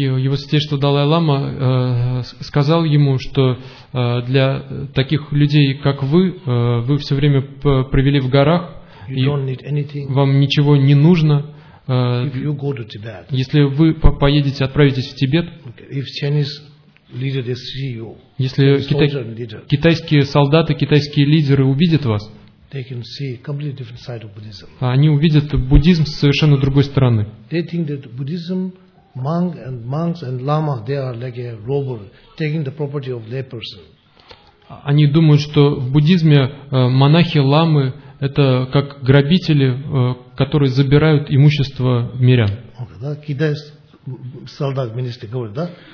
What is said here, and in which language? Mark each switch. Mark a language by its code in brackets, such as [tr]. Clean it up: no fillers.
[ru] его святейшество Далай-лама сказал ему, что для таких людей, как вы все время провели в горах, вам ничего не нужно, если вы поедете, отправитесь в Тибет, если китайские солдаты, китайские лидеры увидят вас, [en] they can see completely different side of Buddhism. [ru] Они увидят буддизм с совершенно другой стороны. [en] They think that Buddhism, monks and lama, they are like a robber taking the property of lay person. [ru] Они думают, что в буддизме монахи, ламы — это как грабители, которые забирают имущество мирян. [en] Okay, [ru] да? Китайский солдат, министр говорит, да?